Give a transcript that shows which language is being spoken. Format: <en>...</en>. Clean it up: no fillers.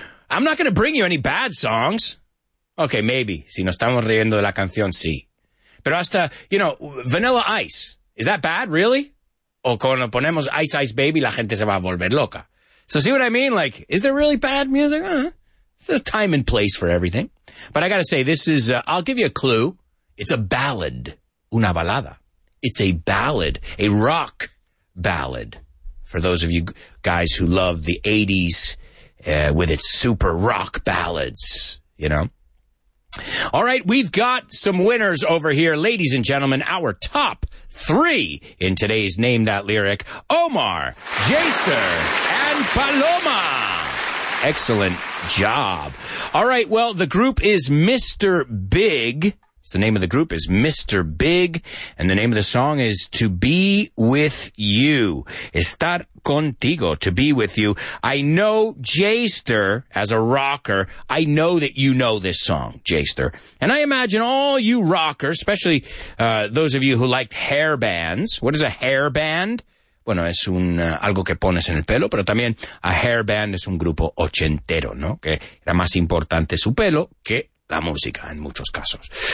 <en>I'm not going to bring you any bad songs. Okay, maybe,</en> <es>si nos estamos riendo de la canción, sí. Pero hasta,</es> <en>you know, Vanilla Ice, is that bad, really?</en> <es>O cuando ponemos Ice Ice Baby, la gente se va a volver loca.</es> <en>So see what I mean? Like, is there really bad music? There's a time and place for everything. But I gotta say, this is, I'll give you a clue. It's a ballad.</en> <es>Una balada.</es> <en>It's a ballad. A rock ballad. For those of you guys who love the 80s with its super rock ballads, you know? All right, we've got some winners over here. Ladies and gentlemen, our top three in today's Name That Lyric, Omar, Jester, and Paloma. Excellent job. All right, well, the group is Mr. Big. So the name of the group is Mr. Big, and the name of the song is To Be With You.</en> <es>Estar contigo,</es> <en>to be with you. I know Jester, as a rocker, I know that you know this song, Jester. And I imagine all you rockers, especially those of you who liked hair bands. What is a hair band?</en> <es>Bueno, es un algo que pones en el pelo, pero también a hair band es un grupo ochentero, ¿no? Que era más importante su pelo que la música, en muchos casos.</es>